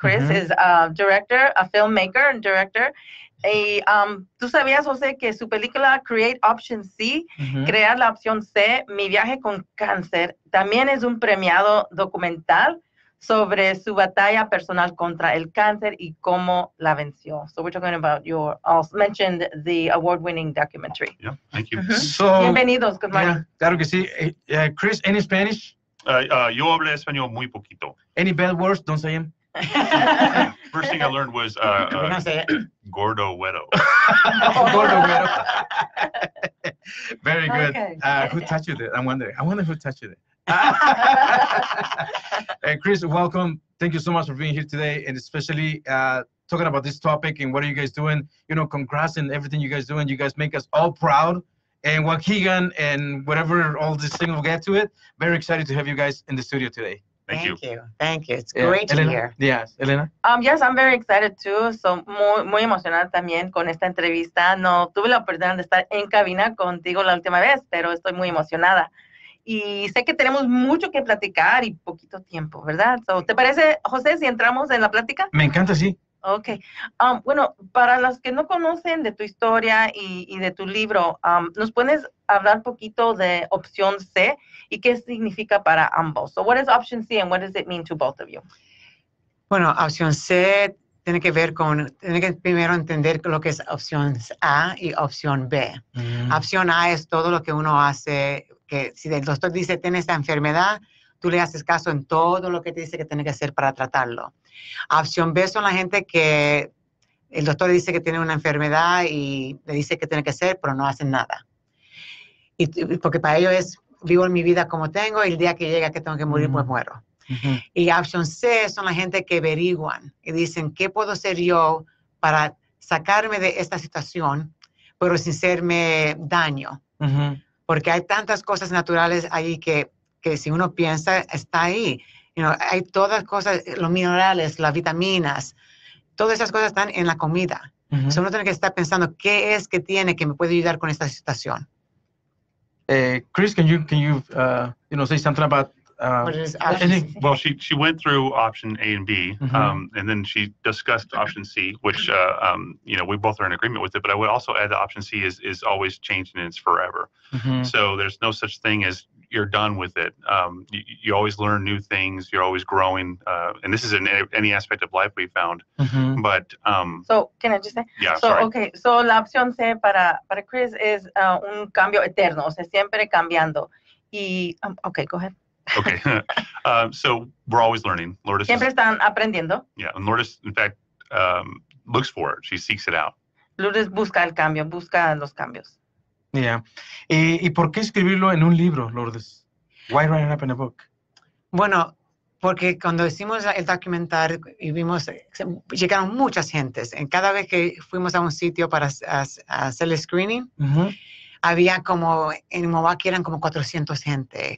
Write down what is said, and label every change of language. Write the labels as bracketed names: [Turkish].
[Spanish] Chris es director, [English] a filmmaker, director. [Spanish] Y tú sabías, José, que su película Create Option C, crear la opción C, Mi viaje con cáncer, también es un premiado documental sobre su batalla personal contra el cáncer y cómo la venció. [English] So we're talking about your, also mentioned the award-winning documentary. Yeah, thank you. So, [Spanish] bienvenidos, [English] good morning. Yeah, [Spanish] claro que sí. Chris, [English] any Spanish? [Spanish] Yo hablé español muy poquito. [English] Any bad words? Don't say them. First thing I learned was gordo güero. Gordo güero. Very good. Okay. Who touched you there? I wonder who touched you there. Chris, welcome. Thank you so much for being here today, and especially talking about this topic and what are you guys doing. You know, congrats and everything you guys doing. You guys make us all proud, and Waukegan and whatever all this thing will get to it. Very excited to have you guys in the studio today. Thank you. Yes, I'm very excited too. [Spanish] So muy, muy emocionada también con esta entrevista. No tuve la oportunidad de estar en cabina contigo la última vez, pero estoy muy emocionada. Y sé que tenemos mucho que platicar y poquito tiempo, ¿verdad? So, ¿te parece, José, si entramos en la plática? Me encanta, sí. [English] Ok. [Spanish] Bueno, para los que no conocen de tu historia y de tu libro, ¿nos puedes hablar poquito de opción C y qué significa para ambos? [English] So, what is option C and what does it mean to both of you? [Spanish] Bueno, opción C tiene que ver con, tiene que primero entender lo que es opción A y opción B. Mm. Opción A es todo lo que uno hace, que si el doctor dice tiene esta enfermedad, tú le haces caso en todo lo que te dice que tiene que hacer para tratarlo. Opción B son la gente que el doctor dice que tiene una enfermedad y le dice que tiene que hacer, pero no hacen nada. Y porque para ellos es, vivo mi vida como tengo y el día que llega que tengo que morir, pues muero. Y opción C son la gente que averiguan y dicen, ¿qué puedo hacer yo para sacarme de esta situación, pero sin hacerme daño? Porque hay tantas cosas naturales ahí que si uno piensa, está ahí. [English] You know, [Spanish] hay todas las cosas, los minerales, las vitaminas, todas esas cosas están en la comida. So uno tiene que estar pensando, ¿qué es que tiene que me puede ayudar con esta situación? [English] Chris, can you say something about... Well, she went through option A and B, and then she discussed option C, which you know, we both are in agreement with it. But I would also add that option C is always changing and it's forever. So there's no such thing as you're done with it. You always learn new things. You're always growing. And this is in any aspect of life we found. Mm-hmm. But so can I just say? Yeah, so, sorry. [Spanish] Okay, so la opción C para Chris es un cambio eterno. O sea, siempre cambiando. Y, [English] okay, go ahead. Okay, so we're always learning. Lourdes [Spanish] siempre [English] is, [Spanish] están aprendiendo. [English] Yeah, and Lourdes, in fact, looks for it. She seeks it out. [Spanish] Lourdes busca el cambio, busca los cambios. Yeah. ¿Y por qué escribirlo en un libro, Lourdes? [English] Why write it up in a book? [Spanish] Bueno, porque cuando hicimos el documental y vimos, llegaron muchas gentes. En cada vez que fuimos a un sitio para hacer el screening, había como, en Milwaukee eran como 400 gente.